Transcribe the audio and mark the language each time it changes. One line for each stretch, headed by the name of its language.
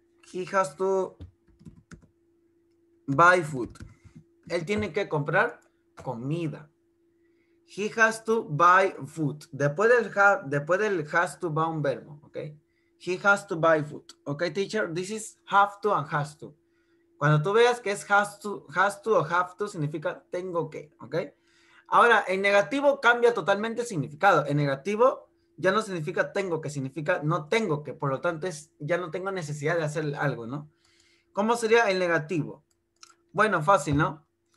English: He has to buy food.
Spanish: Él tiene que comprar comida.
English: He has to buy food.
Spanish: Después del has to va un verbo, ¿okay?
English: He has to buy food. Okay, teacher, this is have to and has to.
Spanish: Cuando tú veas que es has to o have to, significa tengo que, ¿ok? Ahora, en negativo cambia totalmente el significado. En negativo ya no significa tengo que, significa no tengo que. Por lo tanto, es ya no tengo necesidad de hacer algo, ¿no? ¿Cómo sería el negativo? Bueno, fácil, ¿no?